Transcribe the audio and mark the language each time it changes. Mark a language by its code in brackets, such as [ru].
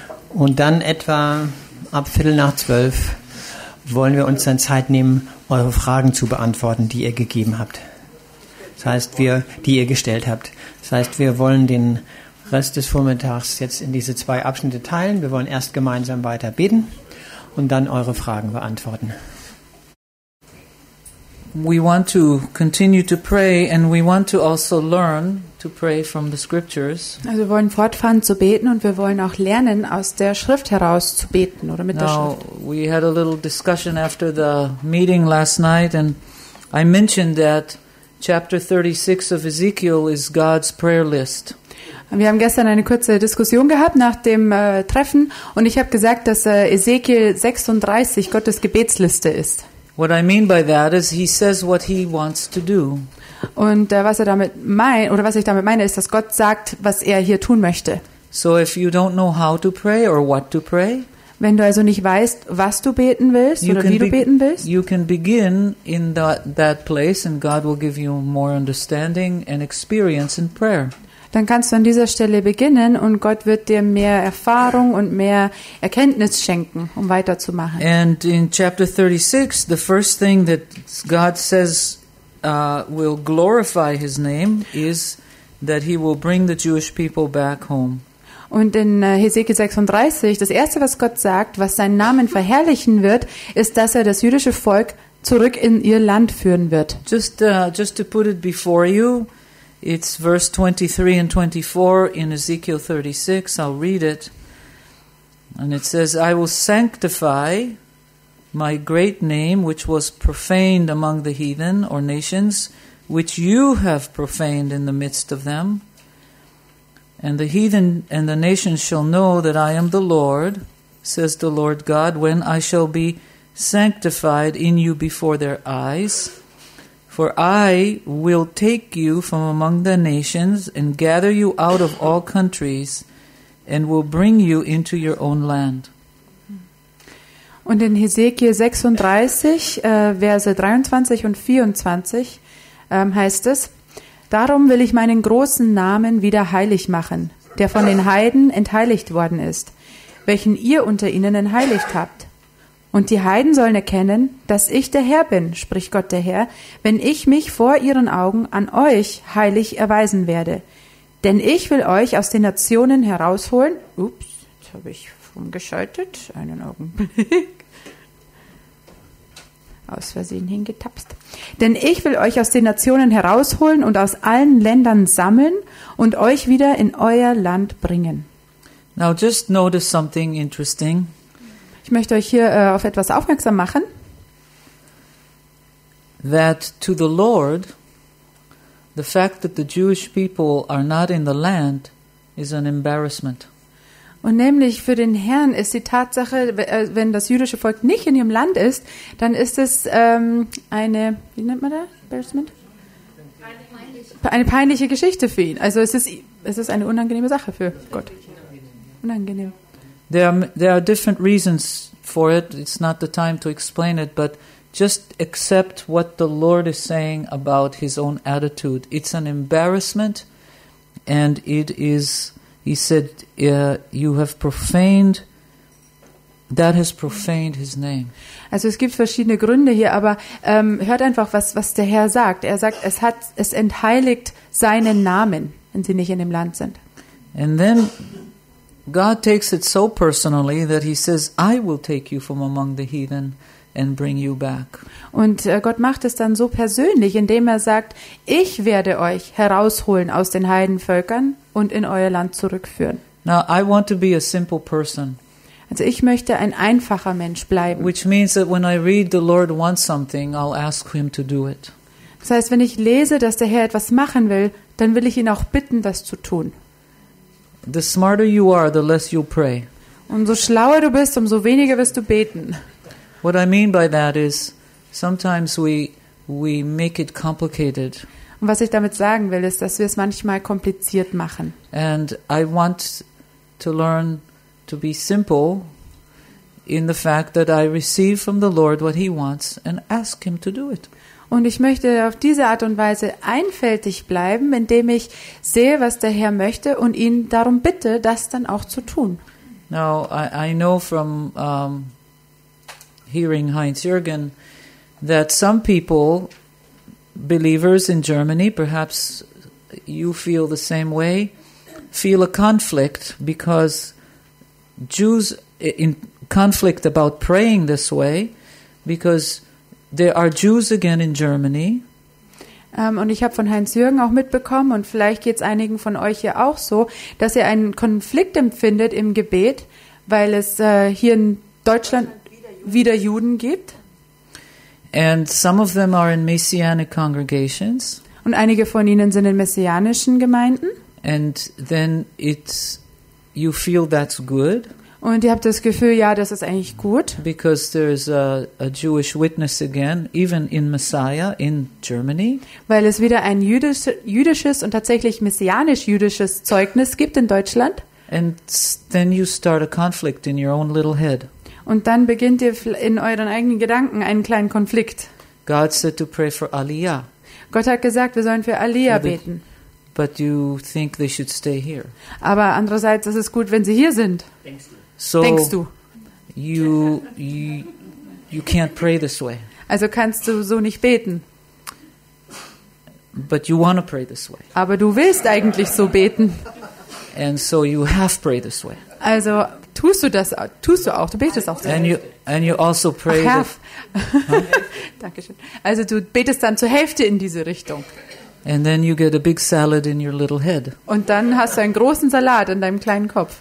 [de] Und dann etwa ab 11:45 wollen wir uns dann Zeit nehmen, eure Fragen zu beantworten, die ihr gegeben habt. Das heißt, die ihr gestellt habt. Das heißt, wir wollen den Rest des Vormittags jetzt in diese zwei Abschnitte teilen. Wir wollen erst gemeinsam weiter beten und dann eure Fragen beantworten. [en] We want to continue to pray and we want to also learn to pray from the scriptures. [de] Also wir wollen fortfahren zu beten und wir wollen auch lernen, aus der Schrift heraus zu beten oder mit [en] Now, [de] der Schrift. [en] We had a little discussion after the meeting last night and I mentioned that Chapter 36 of Ezekiel is God's prayer list. [de] Wir haben gestern eine kurze Diskussion gehabt nach dem Treffen und ich habe gesagt, dass Ezekiel 36 Gottes Gebetsliste ist. [en] What I mean by that is he says what he wants to do. [de] Und was ich damit meine ist, dass Gott sagt, was er hier tun möchte. [en] So if you don't know how to pray or what to pray, [de] wenn du also nicht weißt, was du beten willst oder wie du beten willst, [en] you can begin in that place and God will give you more understanding and experience in prayer. [de] Dann kannst du an dieser Stelle beginnen und Gott wird dir mehr Erfahrung und mehr Erkenntnis schenken, um weiterzumachen. [en] And in chapter 36, the first thing that God says will glorify his name is that he will bring the Jewish people back home. [de] Und in Hesekiel 36, das Erste, was Gott sagt, was seinen Namen verherrlichen wird, ist, dass er das jüdische Volk zurück in ihr Land führen wird. [en] Just to put it before you, it's verse 23 and 24 in Ezekiel 36, I'll read it. And it says, I will sanctify my great name, which was profaned among the heathen or nations, which you have profaned in the midst of them. And the heathen and the nations shall know that I am the Lord, says the Lord God, when I shall be sanctified in you before their eyes. For I will take you from among the nations and gather you out of all countries and will bring you into your own land. [de] Und in Hesekiel 36, Verse 23 und 24 heißt es, darum will ich meinen großen Namen wieder heilig machen, der von den Heiden entheiligt worden ist. welchen ihr unter ihnen entheiligt habt. Und die Heiden sollen erkennen, dass ich der Herr bin, spricht Gott der Herr, wenn ich mich vor ihren Augen an euch heilig erweisen werde. Denn ich will euch aus den Nationen herausholen. Ups, jetzt habe ich umgeschaltet. Einen Augenblick. Aus Versehen hingetapst. Denn ich will euch aus den Nationen herausholen und aus allen Ländern sammeln und euch wieder in euer Land bringen. [en] Now just notice something interesting. [de] Ich möchte euch hier auf etwas aufmerksam machen. [en] That to the Lord, the fact that the Jewish people are not in the land is an embarrassment. [de] Und nämlich für den Herrn ist die Tatsache, wenn das jüdische Volk nicht in ihrem Land ist, dann ist es eine, wie nennt man das? Embarrassment? Eine peinliche Geschichte für ihn. Also es ist eine unangenehme Sache für Gott. Unangenehm. [en] There are different reasons for it. It's not the time to explain it, but just accept what the Lord is saying about his own attitude. It's an embarrassment, and it is, he said, you have profaned, that has profaned his name. [de] Also es gibt verschiedene Gründe hier, aber hört einfach, was der Herr sagt. Er sagt, es entheiligt seinen Namen, wenn sie nicht in dem Land sind. [en] And then God takes it so personally that he says, I will take you from among the heathen and bring you back. [de] Und Gott macht es dann so persönlich, indem er sagt, ich werde euch herausholen aus den Heidenvölkern und in euer Land zurückführen. [en] Now I want to be a simple person. [de] Also ich möchte ein einfacher Mensch bleiben. [en] Which means that when I read the Lord wants something, I'll ask him to do it. [de] Das heißt, wenn ich lese, dass der Herr etwas machen will, dann will ich ihn auch bitten, das zu tun. [en] The smarter you are, the less you pray. [de] Umso schlauer du bist, umso weniger wirst du beten. [en] What I mean by that is, sometimes we make it complicated. [de] Und was ich damit sagen will, ist, dass wir es manchmal kompliziert machen. [en] And I want to learn to be simple in the fact that I receive from the Lord what he wants and ask him to do it. [de] Und ich möchte auf diese Art und Weise einfältig bleiben, indem ich sehe, was der Herr möchte und ihn darum bitte, das dann auch zu tun. [en] Now, I know from hearing Heinz Jürgen that some people, believers in Germany, perhaps you feel the same way, feel a conflict because Jews in conflict about praying this way, because there are Jews again in Germany. [de] Und ich habe von Heinz Jürgen auch mitbekommen, und vielleicht geht es einigen von euch hier auch so, dass ihr einen Konflikt empfindet im Gebet, weil es hier in Deutschland wieder Juden gibt. [en] And some of them are in messianic congregations. [de] Und einige von ihnen sind in messianischen Gemeinden. [en] And then it's, you feel that's good. [de] Und ihr habt das Gefühl, ja, das ist eigentlich gut. [en] Because there is a Jewish witness again, even in Messiah, in Germany. [de] Weil es wieder ein jüdisches und tatsächlich messianisch-jüdisches Zeugnis gibt in Deutschland. [en] And then you start a conflict in your own little head. [de] Und dann beginnt ihr in euren eigenen Gedanken einen kleinen Konflikt. [en] God said to pray for Aliyah. [de] Gott hat gesagt, wir sollen für Aliyah beten. [en] But you think they should stay here. [de] Aber andererseits ist es gut, wenn sie hier sind. So denkst du? [en] You can't pray this way. [de] Also kannst du so nicht beten. [en] But you want to pray this way. [de] Aber du willst eigentlich so beten. [en] And so you have prayed this way. [de] Also tust du das? Tust du auch? Du betest auch so. [en] And you also pray. [de] Ach, Herr. Dankeschön. Also du betest dann zur Hälfte in diese Richtung. [en] And then you get a big salad in your little head. [de] Und dann hast du einen großen Salat in deinem kleinen Kopf.